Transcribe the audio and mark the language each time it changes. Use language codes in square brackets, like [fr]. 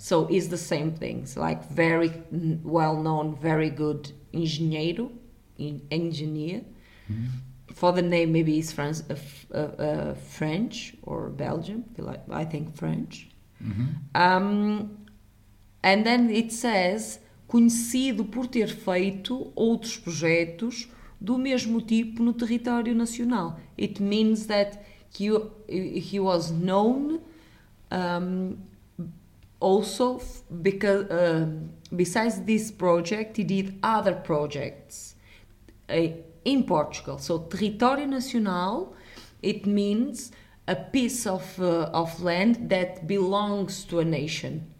[en] So it's the same thing. It's like very well-known, very good engineer. Mm-hmm. For the name, maybe it's French or Belgium, I think French. Mm-hmm. And then it says... [pt] conhecido por ter feito outros projetos do mesmo tipo no território nacional. [en] It means that he was known also because besides this project, he did other projects in Portugal. So, território nacional, it means a piece of land that belongs to a nation.